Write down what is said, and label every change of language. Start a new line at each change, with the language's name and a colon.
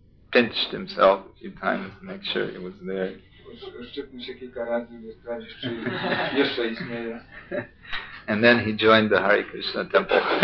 English: Pinched himself a few times to make sure it was there.
Polish: Uszczypnął się kilka razy, by sprawdzić, czy jeszcze istnieje.
English: And then he joined the Hare Krishna temple.